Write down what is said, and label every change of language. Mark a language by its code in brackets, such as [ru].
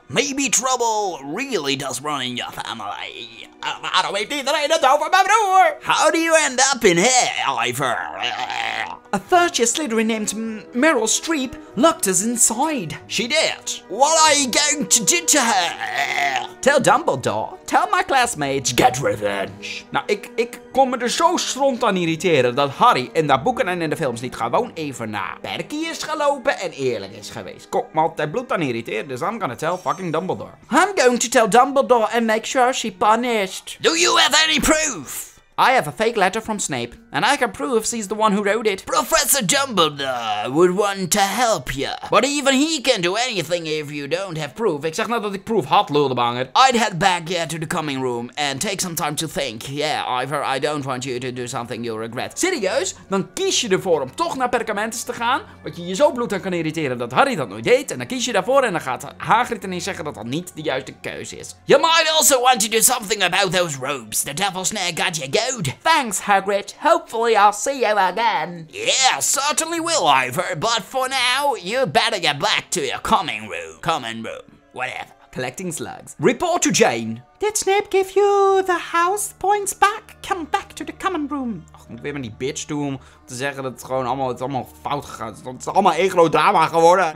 [en] Maybe trouble really does run in your family. How do we do the rain and over my door? How do you end up in here, Ivor? A thirsty Slytherin named Meryl Streep locked us inside. She did. What are you going to do to her? Tell Dumbledore. Tell my classmates. Get revenge. [nl] Nou, ik kon me er zo stront aan irriteren dat Harry in de boeken en in de films niet gewoon even na Perky is gelopen en eerlijk is geweest. Kom, me altijd bloed aan irriteren, dus [en] I'm gonna tell fucking Dumbledore. I'm going to tell Dumbledore and make sure she punished. Do you have any proof? I have a fake letter from Snape, and I can prove he's the one who wrote it. Professor Dumbledore would want to help you. But even he can do anything if you don't have proof. [nl] Ik zeg nou dat ik proof had, lulebanger. [en] I'd head back to the coming room and take some time to think. Yeah, Ivor, I don't want you to do something you'll regret. [nl] Serieus? Dan kies je ervoor om toch naar Perkamentus te gaan, wat je je zo bloed aan kan irriteren dat Harry dat nooit deed. En dan kies je daarvoor en dan gaat Hagrid ineens zeggen dat dat niet de juiste keuze is. [en] You might also want to do something about those robes. The devil's snare got you. Good. Thanks, Hagrid. Hopefully I'll see you again. Yeah, certainly will, Ivor. But for now, you better get back to your coming room. Coming room. Whatever. Collecting slugs. Report to Jane. Did Snape give you the house points back? Come back to the common room. [nl] Ach, moet ik weer met die bitch doen om te zeggen dat het is allemaal fout gegaan. Het is allemaal één groot drama geworden.